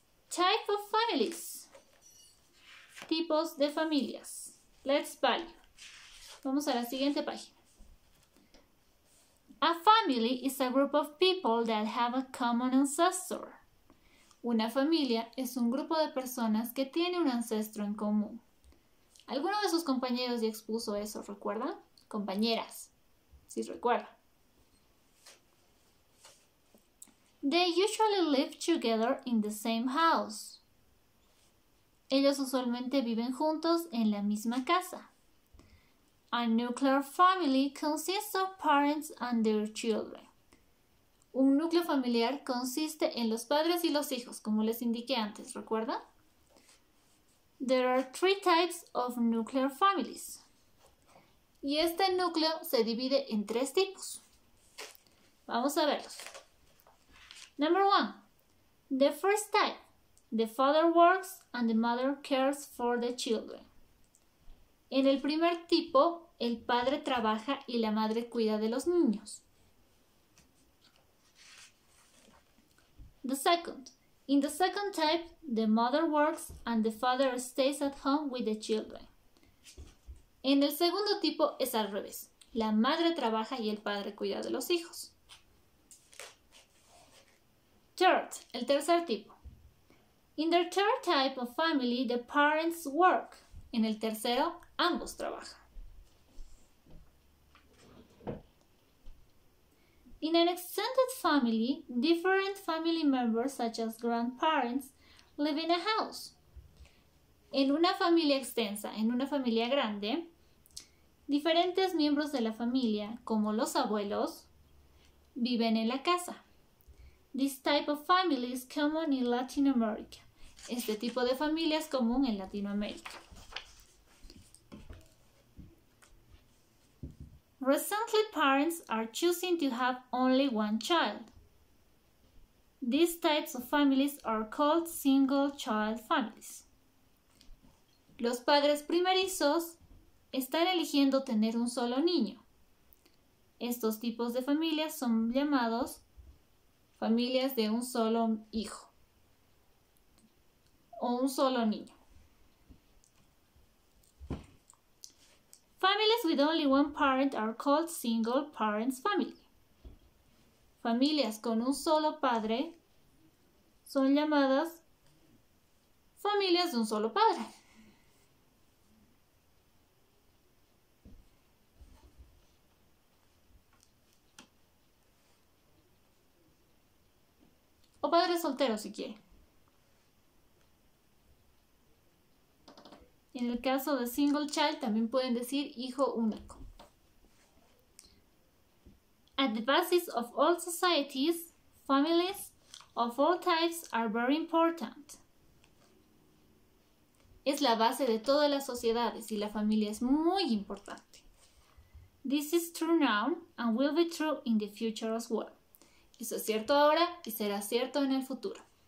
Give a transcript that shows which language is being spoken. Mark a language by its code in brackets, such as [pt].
[en] Type of families. [es] Tipos de familias. [en] Let's value. [es] Vamos a la siguiente página. [en] A family is a group of people that have a common ancestor. [es] Una familia es un grupo de personas que tiene un ancestro en común. Alguno de sus compañeros ya expuso eso, ¿recuerda? Compañeras, si recuerda. [en] They usually live together in the same house. [es] Ellos usualmente viven juntos en la misma casa. [en] A nuclear family consists of parents and their children. [es] Un núcleo familiar consiste en los padres y los hijos, como les indiqué antes, ¿recuerda? [en] There are three types of nuclear families. [es] Y este núcleo se divide en tres tipos. Vamos a verlos. [en] Number one, the first type. The father works and the mother cares for the children. [es] En el primer tipo, el padre trabaja y la madre cuida de los niños. [en] The second. In the second type, the mother works and the father stays at home with the children. [es] En el segundo tipo es al revés. La madre trabaja y el padre cuida de los hijos. [en] Third, [es] el tercer tipo. [en] In the third type of family, the parents work. [es] En el tercero, ambos trabajan. [en] In an extended family, different family members, such as grandparents, live in a house. [es] En una familia extensa, en una familia grande, diferentes miembros de la familia, como los abuelos, viven en la casa. [en] This type of family is common in Latin America. [es] Este tipo de familia es común en Latinoamérica. [en] Recently, parents are choosing to have only one child. These types of families are called single-child families. [es] Los padres primerizos están eligiendo tener un solo niño. Estos tipos de familias son llamados familias de un solo hijo o un solo niño. [en] Families with only one parent are called single parents family. [es] Familias con un solo padre son llamadas familias de un solo padre. O padre soltero, si quiere. En el caso de single child, también pueden decir hijo único. [en] At the basis of all societies, families of all types are very important. [es] Es la base de todas las sociedades y la familia es muy importante. [en] This is true now and will be true in the future as well. [es] Eso es cierto ahora y será cierto en el futuro.